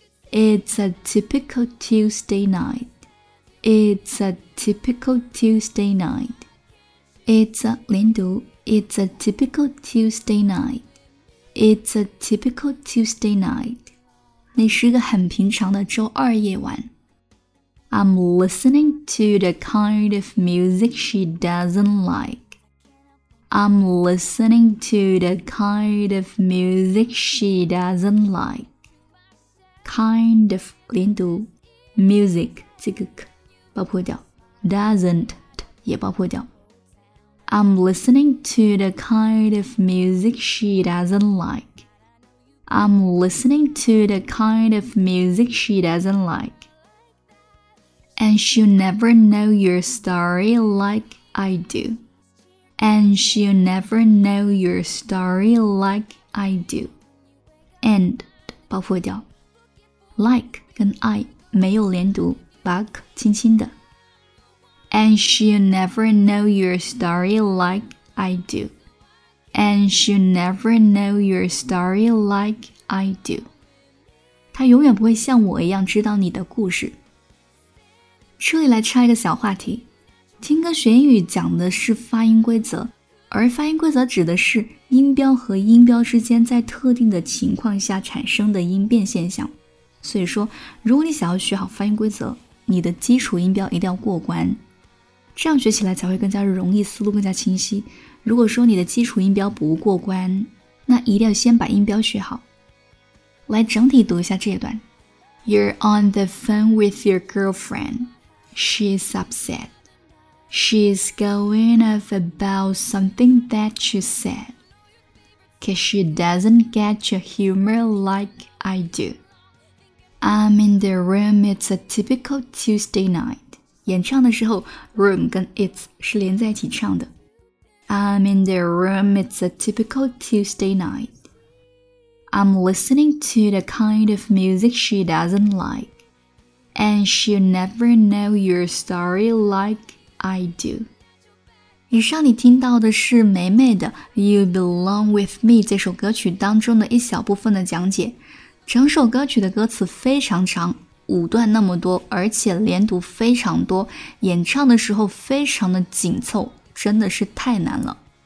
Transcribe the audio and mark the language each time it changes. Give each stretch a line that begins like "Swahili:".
English: It's a typical Tuesday night. It's a typical Tuesday night. It's a 连读。It's a typical Tuesday night. It's a typical Tuesday night.
Chinese: 那是个很平常的周二夜晚。
English: I'm listening to the kind of music she doesn't like. I'm listening to the kind of music she doesn't like. Kind of
Chinese: 连读 music 这个 k 爆破掉 doesn't 也爆破掉。
English: I'm listening to the kind of music she doesn't like. I'm listening to the kind of music she doesn't like. And she'll never know your story like I do. And she'll never know your story like I do.
Chinese: And, 爆破掉。 Like 跟 I 没有连读 ,back 轻轻的。
English: And she'll never know your story like I do. And she'll never know your story like I do.
Chinese: 她永远不会像我一样知道你的故事。这里来插一个小话题，听歌学英语讲的是发音规则，而发音规则指的是音标和音标之间在特定的情况下产生的音变现象。所以说，如果你想要学好发音规则，你的基础音标一定要过关，这样学起来才会更加容易，思路更加清晰。如果说你的基础音标不过关，那一定要先把音标学好。来整体读一下这一段。
English: You're on the phone with your girlfriend. She's upset. She's going off about something that you said. 'Cause she doesn't get your humor like I do. I'm in the room. It's a typical Tuesday night.
Chinese: 演唱的时候 room 跟 it's 是连在一起唱的。
English: I'm in the room. It's a typical Tuesday night. I'm listening to the kind of music she doesn't like. And she'll never know your story like I do.
Chinese: 以上你听到的是梅梅的 You Belong With Me 这首歌曲当中的一小部分的讲解。整首歌曲的歌词非常长，五段那么多，而且连读非常多，演唱的时候非常的紧凑，真的是太难了。